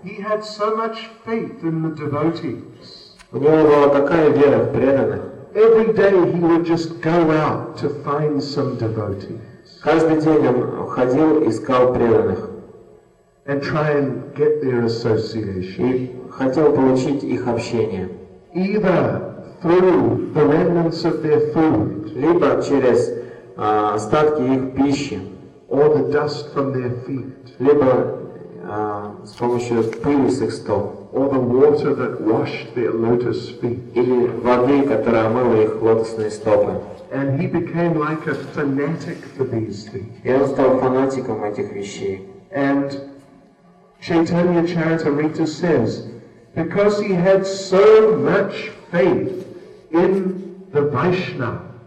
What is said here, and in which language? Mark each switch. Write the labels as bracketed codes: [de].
[en] He had so much faith in the devotees. [ru] У него была такая вера в преданных. [en] Every day he would just go out to find some devotees. [ru] Каждый день он ходил, искал преданных. [en] And try and get their association. [ru] И хотел получить их общение. [en] Either through the remnants of their food. [ru] Либо через остатки их пищи. [en] Or the dust from their feet. [ru] Либо с помощью пыли с их стоп. [en] Or the water that washed their lotus feet. [ru] Или воды, которая омыла их лотосные стопы. [en] And he became like a fanatic for these things. [ru] И он стал фанатиком этих вещей. [en] And Chaitanya Charitamrita says, because he had so much faith in the Vaishnavas.